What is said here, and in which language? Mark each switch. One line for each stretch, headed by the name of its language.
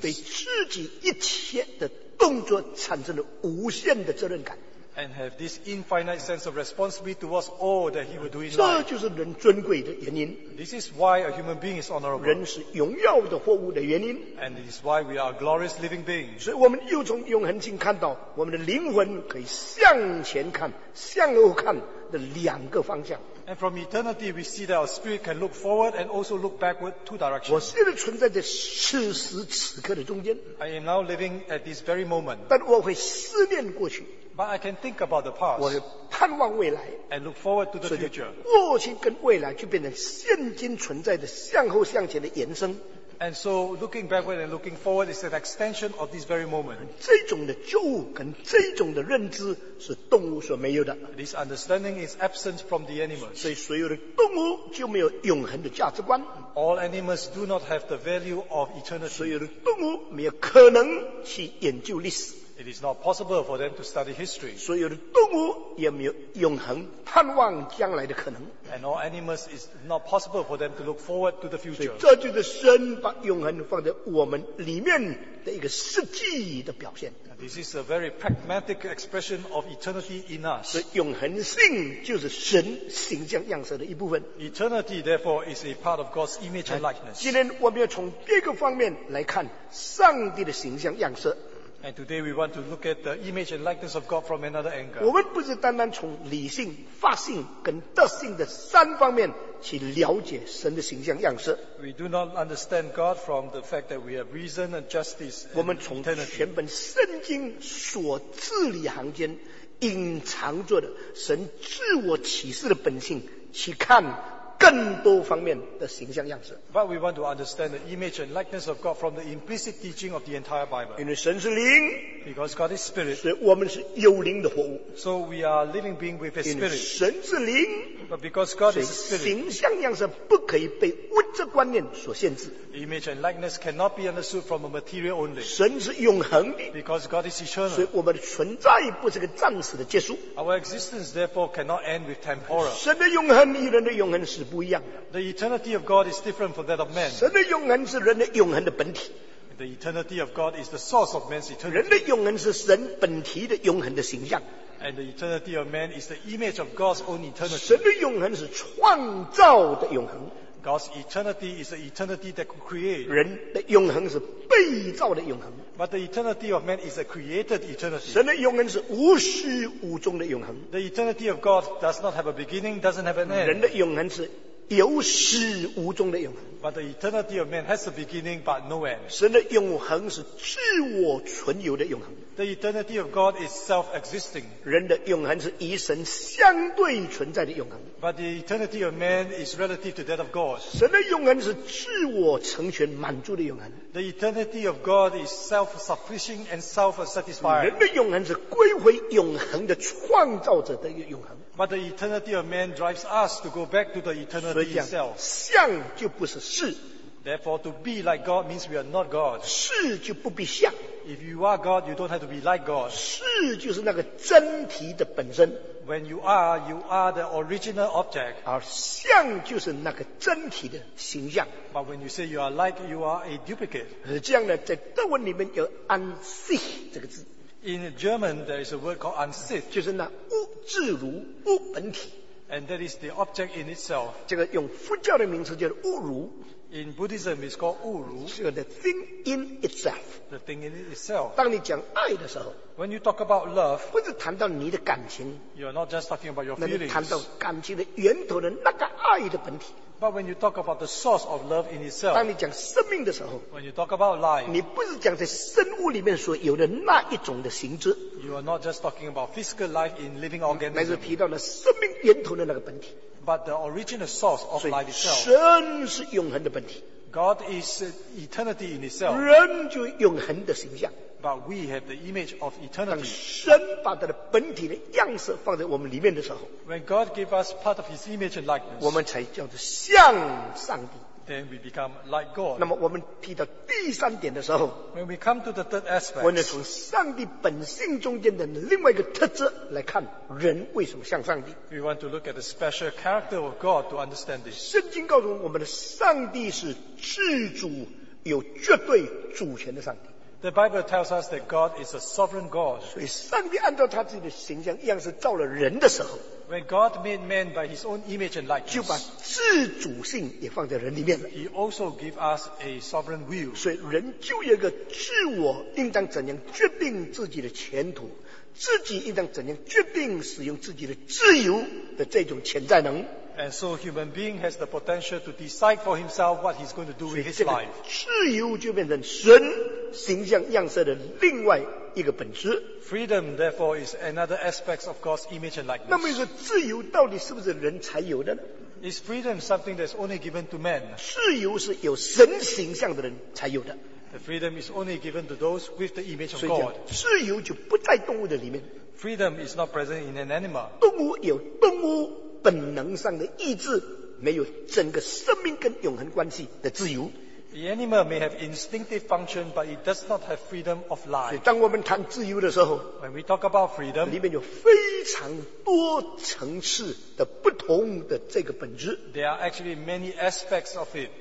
Chinese: 对自己一切的动作产生了无限的责任感。
English: And have this infinite sense of responsibility towards all that he will do in life.
Chinese: 这就是人尊贵的原因。
English: This is why a human being is honorable.
Chinese: 人是荣耀的活物的原因。
English: And it is why we are glorious living beings.
Chinese: 所以我们又从永恒性看到，我们的灵魂可以向前看、向后看的两个方向。
English: And from eternity, we see that our spirit can look forward and also look backward two directions.
Chinese: 我现在存在在此时此刻的中间。
English: I am now living at this very moment.
Chinese: 但我会思念过去。
English: But I can think about the past.
Chinese: 我会盼望未来
English: ，and look forward to the future.
Chinese: 所以，过去跟未来就变成现今存在的向后向前的延伸。
English: And so looking backward and looking forward is an extension of this very moment.
Chinese: 这种的觉悟跟这种的认知是动物所没有的。
English: This understanding is absent from the animals.
Chinese: 所以所有的动物就没有永恒的价值观。
English: All animals do not have the value of eternity.
Chinese: 所有的动物没有可能去研究历史。
English: It is not possible for them to study history.
Chinese: 所有的动物也没有永恒盼望将来的可能。
English: And all animals is not possible for them to look forward to the future.
Chinese: 所以这就是神把永恒放在我们里面的一个实际的表现。
English: This is a very pragmatic expression of eternity in us.
Chinese: 所以永恒性就是神形象样式的一部分。
English: Eternity, therefore, is a part of God's image and likeness.
Chinese: 今天我们要从第二个方面来看上帝的形象样式。
English: And today we want to look at the image and likeness of God from another angle.
Chinese: 我们不是单单从理性、发性跟德性的三方面去了解神的形象样式。
English: We do not understand God from the fact that we have reason and justice.
Chinese: 我们从全本圣经所字里行间隐藏着的神自我启示的本性去看各更多方面的形象样式。
English: But we want to understand the image and likeness of God from the implicit teaching of the entire Bible.
Chinese: 因为神是灵，
English: because God is spirit.
Chinese: 所以我们是有灵的活物。
English: So we are living being with His spirit.
Chinese: 因为神是灵，
English: but because God is spirit.
Chinese: 形象样式不可以被物质观念所限制。
English: Image and likeness cannot be understood from a material only.
Chinese: 神是永恒的，
English: because God is eternal.
Chinese: 所以我们的存在不是个暂时的结束。
English: Our existence therefore cannot end with temporal.
Chinese: 神的永恒与人的永恒是不一样的。
English: The eternity of God is different from that of man.
Chinese: 神的永恒是人的永恒的本体。
English: The eternity of God is the source of man's eternity.
Chinese: 人的永恒是神本体的永恒的形象。
English: And the eternity of man is the image of God's own eternity.
Chinese: 神的永恒是创造的永恒。
English: God's eternity is the eternity that could create.
Chinese: 人的永恒是被造的永恒。
English: But the eternity of man is a created eternity.
Chinese: 神的永恒是无始无终的永恒。
English: The eternity of God does not have a beginning, doesn't have an end.
Chinese: 人的永恒是有始无终的永恒。
English: But the eternity of man has a beginning but no end.
Chinese: 神的永恒是自我存有的永恒。
English: The eternity of God is self-existing.
Chinese: 人的永恒是与神相对存在的永恒。
English: But the eternity of man is relative to that of God.
Chinese: 神的永恒是自我成全满足的永恒。
English: The eternity of God is self-sufficient and self-satisfying.
Chinese: 人的永恒是归回永恒的创造者的永恒。
English: But the eternity of man drives us to go back to the eternity itself.
Chinese: 像就不是是。
English: Therefore, to be like God means we are not God.
Chinese: 是就不必像。
English: If you are God, you don't have to be like God.
Chinese: 是就是那个真体的本身。
English: When you are the original object.
Chinese: 而像就是那个真体的形象。
English: But when you say you are like, you are a duplicate.
Chinese: 这样呢，在德文里面有安息这个字。
English: In German, there is a word called Ansicht.
Chinese: 就是那物自如，物本体。
English: And that is the object in itself.
Chinese: 这个用佛教的名词叫物如。
English: In Buddhism, it's called 物如。
Chinese: 这个
English: the thing in itself. The thing in itself.
Chinese: 当你讲爱的时候，
English: when you talk about love,
Chinese: 不是谈到你的感情，
English: you are not just talking about your feelings.
Chinese: 那你谈到感情的源头的那个爱的本体。
English: But when you talk about the source of love in itself,
Chinese: 当你讲生命的时候，
English: when you talk about life,
Chinese: 你不是讲在生物里面所有的那一种的形质，
English: you are not just talking about physical life in living organism,
Chinese: 乃是提到了生命源头的那个本体。
English: But the original source of life itself,
Chinese: 神是永恒的本体。
English: God is eternity in itself,
Chinese: 人就永恒的形象。
English: But we have the image of eternity.
Chinese: 当神把他的本体的样式放在我们里面的时候，
English: when God gave us part of His image and likeness,
Chinese: 我们才叫做像上帝。
English: Then we become like God.
Chinese: 那么我们提到第三点的时候，
English: when we come to the third aspect,
Chinese: 我们从上帝本性中间的另外一个特质来看人为什么像上帝。
English: We want to look at the special character of God to understand this.
Chinese: 圣经告诉我们的上帝是至主，有绝对主权的上帝。
English: The Bible tells us that God is a sovereign God.
Chinese: 所以上帝按照他自己的形象样式造了人的时候，
English: when God made man by His own image and likeness,
Chinese: 就把自主性也放在人里面了。
English: He also gave us a sovereign will.
Chinese: 所以人就有一个自我，应当怎样决定自己的前途，自己应当怎样决定使用自己的自由的这种潜在能。
English: And so human being has the potential to decide for himself what he's going to do with his life.
Chinese: 自由就变成神形象样式的另外一个本质。
English: Freedom, therefore, is another aspect of God's image and likeness.
Chinese: 那么说自由到底是不是人才有的呢？
English: Is freedom something that's only given to man?
Chinese: 自由是有神形象的人才有的。
English: The freedom is only given to those with the image of God.
Chinese: 自由就不在动物的里面。
English: Freedom is not present in an animal.
Chinese: 动物有动物本能上的意志，没有整个生命跟永恒关系的自由。
English: The animal may have instinctive function, but it does not have freedom of life.
Chinese: 所以当我们谈自由的时候，
English: when we talk about freedom,
Chinese: 里面有非常多层次的不同的这个本质。
English: There are actually many aspects of it.